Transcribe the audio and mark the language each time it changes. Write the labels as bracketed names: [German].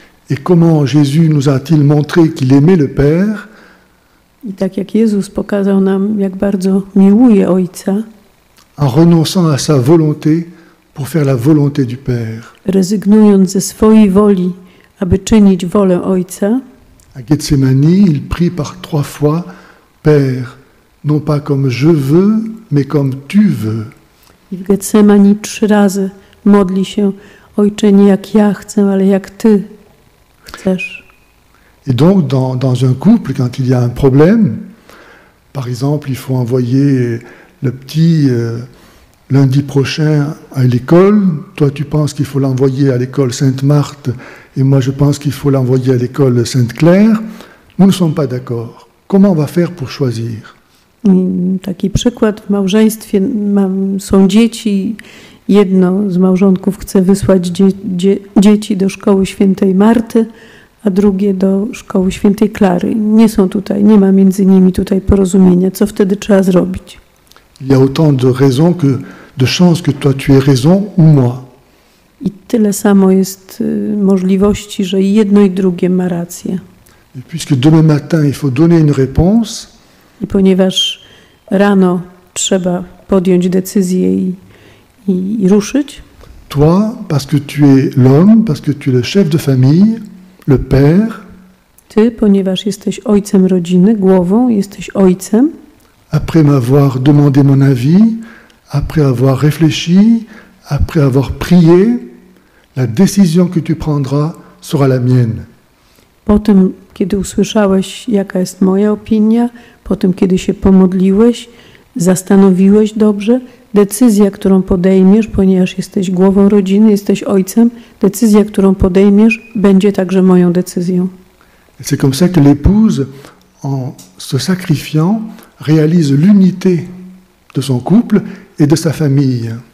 [French] Et comment Jésus nous a-t-il montré qu'il aimait le père? [Polish] I tak jak Jezus pokazał nam, jak bardzo miłuje Ojca. [French] En renonçant à sa volonté pour faire la volonté du Père. [Polish] Rezygnując ze swojej woli, aby czynić wolę Ojca. [French] À Gethsemane, il prie par trois fois, Père, non pas comme je veux, mais comme tu veux. [Polish] I w Getsemani trzy razy modli się, Ojcze, nie jak ja chcę, ale jak ty chcesz. [French] Et donc, dans un couple, quand il y a un problème, par exemple, il faut envoyer le petit lundi prochain à l'école. Toi, tu penses qu'il faut l'envoyer à l'école Sainte-Marthe et moi, je pense qu'il faut l'envoyer à l'école Sainte-Claire. Nous ne sommes pas d'accord. Comment on va faire pour choisir? [Polish] Taki przykład. W małżeństwie są dzieci. Jedno z małżonków chce wysłać dzieci do szkoły świętej Marty, a drugie do szkoły świętej Klary. Nie są tutaj, nie ma między nimi tutaj porozumienia. Co wtedy trzeba zrobić? [French] Il y a autant de raisons que de chances que toi tu aies raison ou moi. [Polish] I tyle samo jest możliwości, że jedno i drugie ma rację. [French] Et puisque demain matin il faut donner une réponse. [Polish] I ponieważ rano trzeba podjąć decyzję i ruszyć. [French] Toi, parce que tu es l'homme, parce que tu es le chef de famille, le père. [Polish] Ty, ponieważ jesteś ojcem rodziny, głową, jesteś ojcem. [French] Après m'avoir demandé mon avis, après avoir réfléchi, après avoir prié, la décision que tu prendras sera la mienne. [Polish] Po tym, kiedy usłyszałeś, jaka jest moja opinia, po tym, kiedy się pomodliłeś, zastanowiłeś dobrze, decyzja, którą podejmiesz, ponieważ jesteś głową rodziny, jesteś ojcem, decyzja, którą podejmiesz, będzie także moją decyzją. [French] C'est comme ça que l'épouse, en se sacrifiant, réalise l'unité de son couple et de sa famille.